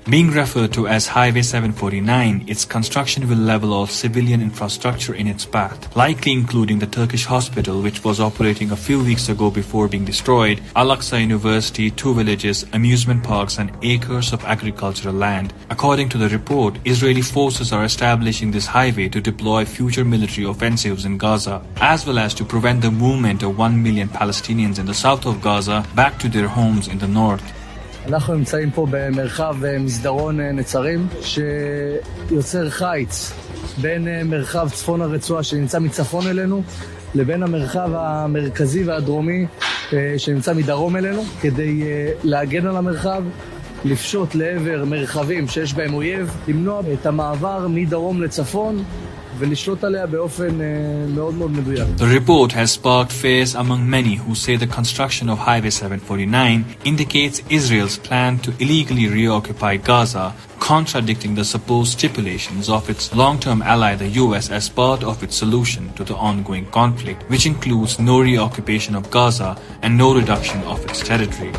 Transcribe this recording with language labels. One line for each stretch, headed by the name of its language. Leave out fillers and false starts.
English: Being referred to as Highway 749, its construction will level all civilian infrastructure in its path, likely including the Turkish hospital, which was operating a few weeks ago before being destroyed, Al-Aqsa University, two villages, amusement parks, and acres of agricultural land. According to the report, Israeli forces are establishing this highway to deploy future military offensives in Gaza, as well as to prevent the movement of 1 million Palestinians in the south of Gaza back to their homes in the north.
Hebrew: אנחנו נמצאים פה במרחב מסדרון נצרים שיוצר חיץ בין מרחב צפון הרצועה שנמצא מצפון אלינו לבין המרחב המרכזי והדרומי שנמצא מדרום אלינו כדי להגן על המרחב לפשוט לעבר מרחבים שיש בהם אויב, למנוע את המעבר מדרום לצפון ולשלוט עליה באופן מאוד מאוד מדויק.
English: The report has sparked fears among many who say the construction of Highway 749 indicates Israel's plan to illegally reoccupy Gaza, contradicting the supposed stipulations of its long-term ally, the U.S., as part of its solution to the ongoing conflict, which includes no reoccupation of Gaza and no reduction of its territory.